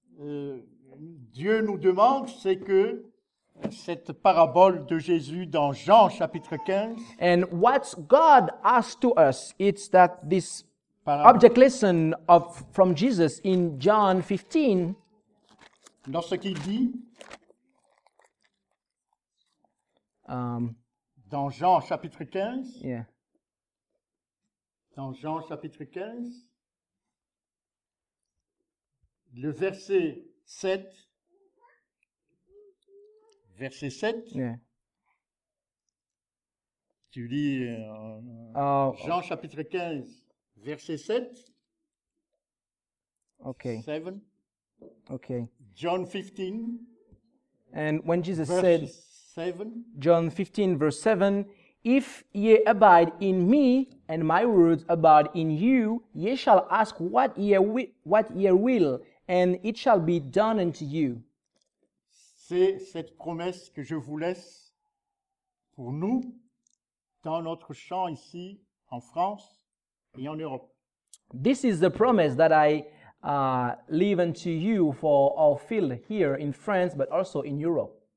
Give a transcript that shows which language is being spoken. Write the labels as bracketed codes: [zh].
[fr] Dieu nous demande, c'est que cette parabole de Jésus dans Jean chapitre 15. [en] And what God asks to us, it's that this parabole. Object lesson of from Jesus in John 15. [fr] Lorsqu'il dit dans Jean chapitre 15. [en] Yeah. [fr] Dans Jean chapitre 15. Le verset 7. Verset 7. [en] Yeah. [fr] Tu lis Jean chapitre 15, verset 7. [en] Okay. 7. Okay. John 15. And when Jesus said, 7. John 15, verse 7, if ye abide in me and my words abide in you, ye shall ask what ye will, and it shall be done unto you. [fr] C'est cette promesse que je vous laisse pour nous dans notre champ ici en France et en Europe. [en] This is the promise that I leave unto you for our field here in France, but also in Europe.